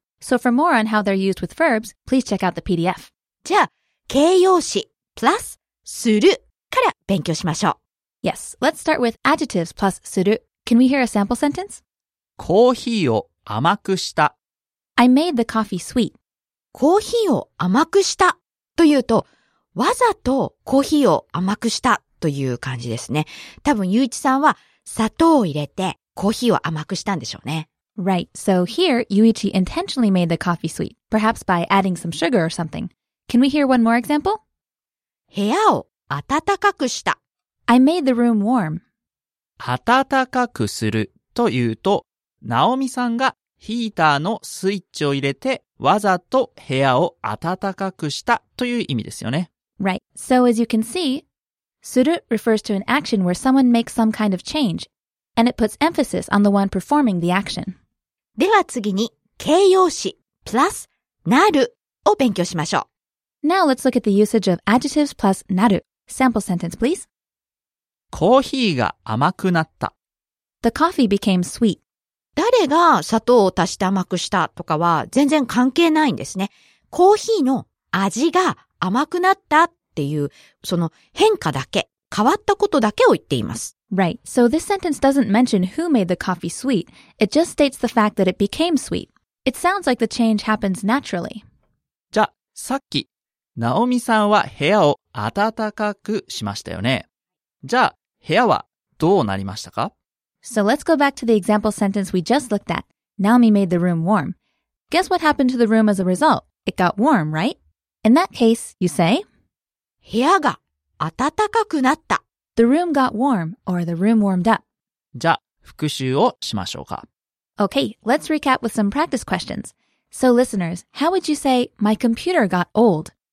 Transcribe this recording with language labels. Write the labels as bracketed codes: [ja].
[en] So for more on how they're used with verbs, please check out the PDF. [ja] じゃあ、形容詞 plus するから勉強しましょう。 [en] Yes, let's start with adjectives plus する.Can we hear a sample sentence? [ja] コーヒーを甘くした。 [en] I made the coffee sweet. [ja] コーヒーを甘くしたというと、わざとコーヒーを甘くしたという感じですね。多分、ゆういちさんは砂糖を入れてコーヒーを甘くしたんでしょうね。 [en] Right, so here, Yuichi intentionally made the coffee sweet, perhaps by adding some sugar or something. Can we hear one more example? [ja] 部屋を暖かくした。 [en] I made the room warm. [ja] 暖かくするというと、ナオミさんがヒーターのスイッチを入れて、わざと部屋を暖かくしたという意味ですよね。 [en] Right. So as you can see, する refers to an action where someone makes some kind of change, and it puts emphasis on the one performing the action. [ja] では次に、形容詞 plus なるを勉強しましょう。 [en] Now let's look at the usage of adjectives plus なる.Sample sentence, please. [ja] コーヒーが甘くなった。 [en] The coffee became sweet. [ja] 誰が砂糖を足して甘くしたとかは全然関係ないんですね。コーヒーの味が甘くなったっていう、その変化だけ、変わったことだけを言っています。 [en] Right. So this sentence doesn't mention who made the coffee sweet. It just states the fact that it became sweet. It sounds like the change happens naturally. [ja] じゃあ、さっき、ナオミさんは部屋を暖かくしましたよね。じゃあ、部屋はどうなりましたか？ [en] So let's go back to the example sentence we just looked at. Naomi made the room warm. Guess what happened to the room as a result? It got warm, right? In that case, you say, [ja] 部屋が暖かくなった。 [en] The room got warm, or the room warmed up. [ja] じゃあ、復習をしましょうか。 [en] Okay, let's recap with some practice questions. So listeners, how would you say, my computer got old?